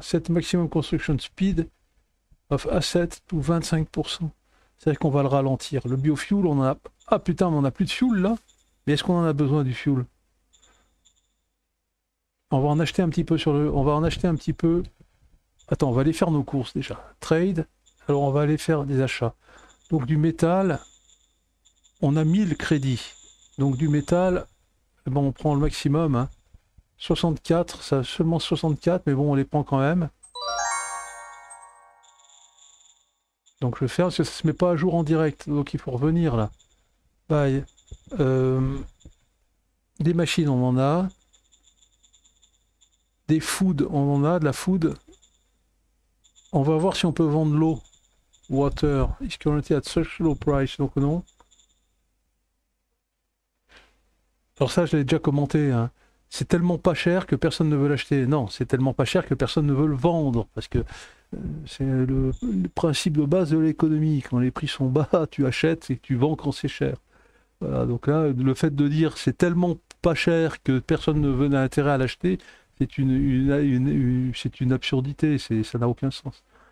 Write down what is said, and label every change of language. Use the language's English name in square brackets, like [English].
[English] Set maximum construction speed of asset to 25%. [French] C'est-à-dire qu'on va le ralentir. Le biofuel, on en a. Ah putain, mais on n'a plus de fuel là. Mais est-ce qu'on en a besoin du fuel? On va en acheter un petit peu sur le. On va en acheter un petit peu. Attends, on va aller faire nos courses déjà. Trade. Alors on va aller faire des achats. Donc du métal. On a 1000 crédits. Donc du métal, bon, on prend le maximum. Hein. 64, ça seulement 64, mais bon, on les prend quand même. Donc je vais faire, parce que ça se met pas à jour en direct, donc il faut revenir là. Bye. Des machines, on en a. Des food, on en a, de la food. On va voir si on peut vendre l'eau. [English] Water. Is currently at such low price, [French] donc non. Alors ça, je l'ai déjà commenté, hein. C'est tellement pas cher que personne ne veut l'acheter. Non, c'est tellement pas cher que personne ne veut le vendre. Parce que c'est le principe de base de l'économie. Quand les prix sont bas, tu achètes et tu vends quand c'est cher. Voilà, donc là, le fait de dire c'est tellement pas cher que personne ne veut d'intérêt à l'acheter, c'est une absurdité, ça n'a aucun sens.